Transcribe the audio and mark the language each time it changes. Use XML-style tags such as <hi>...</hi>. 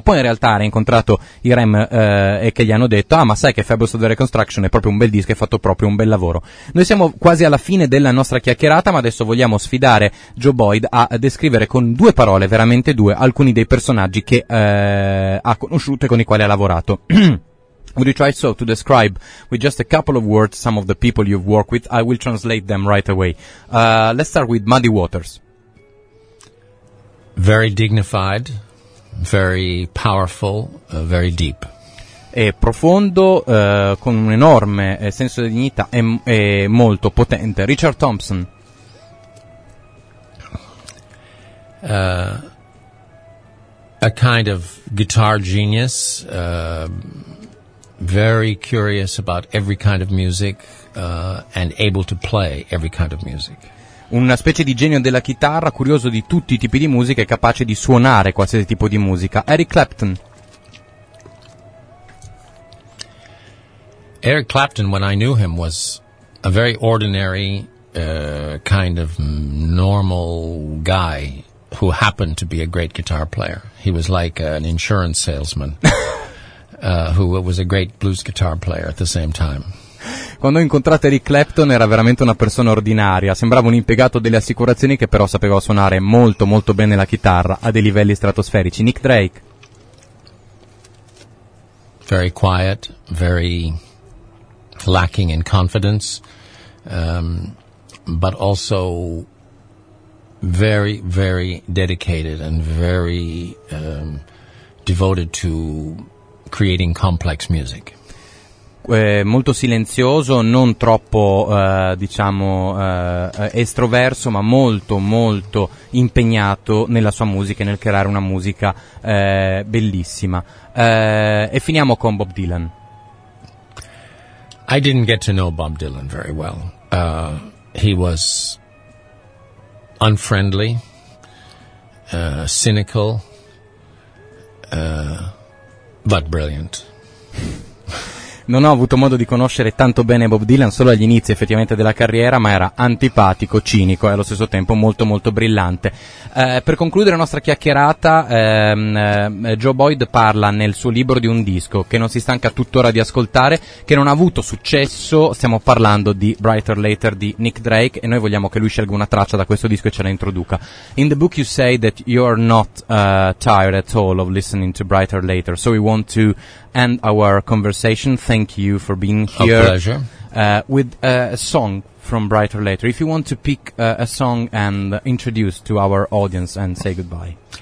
<it>Poi in realtà ha incontrato i Rem e che gli hanno detto, ah, ma sai che Fables of the Reconstruction è proprio un bel disco, è fatto proprio un bel lavoro. Noi siamo quasi alla fine della nostra chiacchierata, ma adesso vogliamo sfidare Joe Boyd a descrivere con due parole, veramente due, alcuni dei personaggi che ha conosciuto e con i quali ha lavorato.</it> <en>Would you try so to describe with just a couple of words some of the people you've worked with? I will translate them right away. Let's start with Muddy Waters. Very dignified, very powerful, very deep.</en> <it>È profondo, con un enorme senso di dignità, e molto potente.</it> <en>Richard Thompson. A kind of guitar genius, very curious about every kind of music, and able to play every kind of music.</en> <it>una specie di genio della chitarra, curioso di tutti i tipi di musica e capace di suonare qualsiasi tipo di musica.</it> <en>Eric Clapton. Eric Clapton, when I knew him, was a very ordinary kind of normal guy who happened to be a great guitar player. He was like an insurance salesman who was a great blues guitar player at the same time.</en> <it>Quando ho incontrato Eric Clapton era veramente una persona ordinaria, sembrava un impiegato delle assicurazioni che però sapeva suonare molto molto bene la chitarra a dei livelli stratosferici.</it> <en>Nick Drake. Very quiet, very lacking in confidence, but also very, very dedicated and very devoted to creating complex music.</en> <it>Molto silenzioso, non troppo diciamo estroverso, ma molto molto impegnato nella sua musica e nel creare una musica bellissima. E finiamo con Bob Dylan.</it> <en>I didn't get to know Bob Dylan very well. He was unfriendly, cynical, but brilliant.</en> <it>Non ho avuto modo di conoscere tanto bene Bob Dylan solo agli inizi effettivamente della carriera, ma era antipatico, cinico e allo stesso tempo molto molto brillante. Per concludere la nostra chiacchierata, Joe Boyd parla nel suo libro di un disco che non si stanca tuttora di ascoltare, che non ha avuto successo. Stiamo parlando di Brighter Later di Nick Drake e noi vogliamo che lui scelga una traccia da questo disco e ce la introduca.</it> <en>In the book you say that you're not tired at all of listening to Brighter Later, so we want to end our conversation. Thank you for being here. A pleasure. With a song from Brighter Later. If you want to pick a song and introduce to our audience and say goodbye.</en>